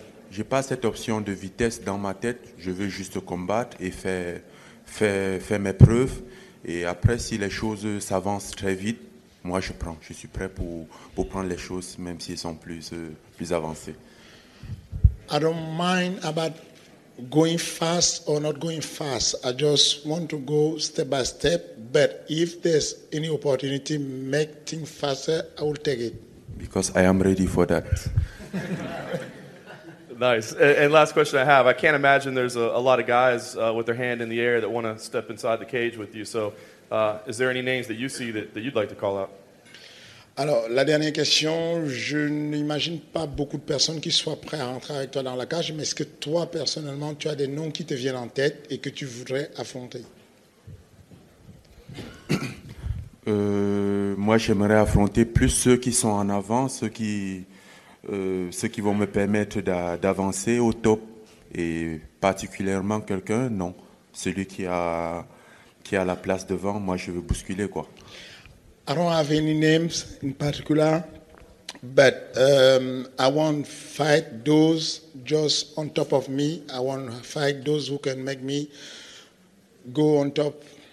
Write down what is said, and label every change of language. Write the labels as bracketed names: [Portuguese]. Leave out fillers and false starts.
[French] J'ai pas cette option de vitesse dans ma tête. Je veux juste combattre et faire mes preuves. Et après, si les choses s'avancent très vite, moi je prends. Je suis prêt pour prendre les choses, même si elles sont plus avancées. [English] I don't mind about going fast or not going fast. I just want to go step by step. But if there's any opportunity to make things faster, I will take it. Because I am ready for that. Nice. And last question I have. I can't imagine there's a lot of guys with their hand in the air that want to step inside the cage with you. So is there any names that you see that you'd like to call out? [French] Alors, la dernière question, je n'imagine pas beaucoup de personnes qui soient prêtes à rentrer avec toi dans la cage, mais est-ce que toi, personnellement, tu as des noms qui te viennent en tête et que tu voudrais affronter? Moi, j'aimerais affronter plus ceux qui sont en avant, ceux qui vont me permettre d'avancer au top, et particulièrement quelqu'un, non, celui qui a la place devant, moi, je veux bousculer, quoi. [English] I don't have any names in particular, but I won't fight those just on top of me. I won't fight those who can make me go on top.